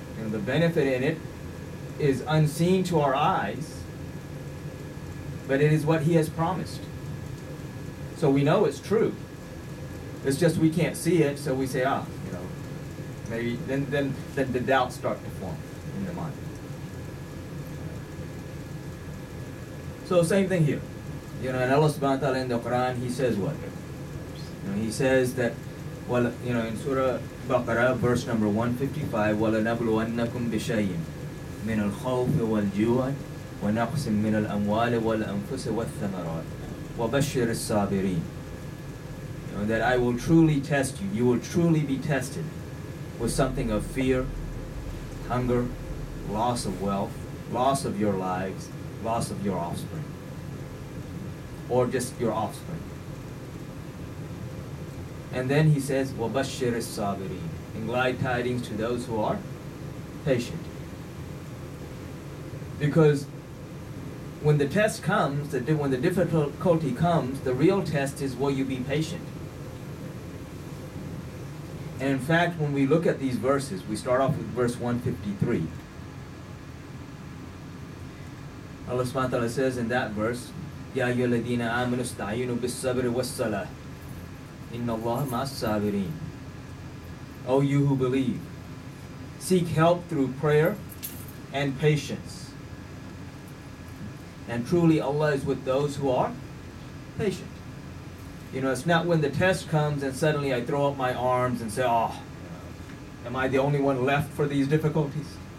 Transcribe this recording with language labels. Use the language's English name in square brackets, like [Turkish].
[English] The benefit in it is unseen to our eyes, but it is what He has promised. So we know it's true. It's just we can't see it, so we say, maybe then the doubts start to form in the mind. So same thing here. And Allah subhanahu wa ta'ala in the Quran, He says what? He says that in Surah Baqarah, verse number 155, [Arabic] وَلَنَبْلُوَنَّكُمْ بِشَيْءٍ من الخوف والجوع ونقص من الأموال والأنفس والثمرات وبشر الصابرين. [English] That I will truly test you. You will truly be tested with something of fear, hunger, loss of wealth, loss of your lives, loss of your offspring, or just your offspring. And then he says, [Arabic] وَبَشِّرِ الصَّابِرِينَ, [English] and glad tidings to those who are patient. Because when the test comes, when the difficulty comes, the real test is, will you be patient? And in fact, when we look at these verses, we start off with verse 153. Allah subhanahu wa ta'ala says in that verse, [Arabic] يَا أَيُّهَا الَّذِينَ آمَنُوا اسْتَعِينُوا بِالصَّبْرِ وَالصَّلَاةِ إِنَّ اللَّهَ مَعَ الصَّابِرِينَ. [English] O you who believe, seek help through prayer and patience. And truly Allah is with those who are patient. You know, it's not when the test comes and suddenly I throw up my arms and say, oh, am I the only one left for these difficulties?